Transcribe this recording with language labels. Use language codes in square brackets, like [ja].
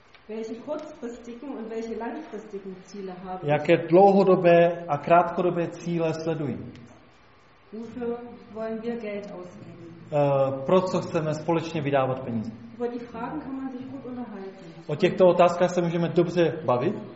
[de] welche kurzfristigen und welche langfristigen Ziele haben. [cs] Jaké dlouhodobé a krátkodobé cíle sledují. [de] Wofür wollen wir Geld ausgeben? [cs] Pro co chceme společně vydávat peníze. [de] Über die Fragen kann man sich gut unterhalten. [cs] O těchto otázkách se můžeme dobře bavit.